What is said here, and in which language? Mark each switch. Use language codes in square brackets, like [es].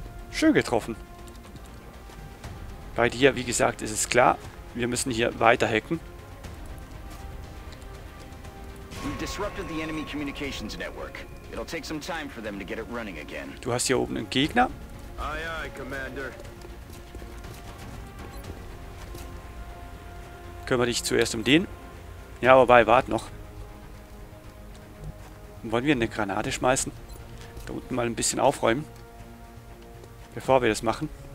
[de] Schön getroffen. Bei dir, wie gesagt, ist es klar. Wir müssen hier weiter hacken. [en] We've disrupted the enemy communications network. It'll take some time for them to get it running again. [de] Du hast hier oben einen Gegner. [en] Aye, aye, Commander. [de] Kümmere dich zuerst um den. Ja, wobei, wart noch. Wollen wir eine Granate schmeißen? Da unten mal ein bisschen aufräumen. Bevor wir das machen.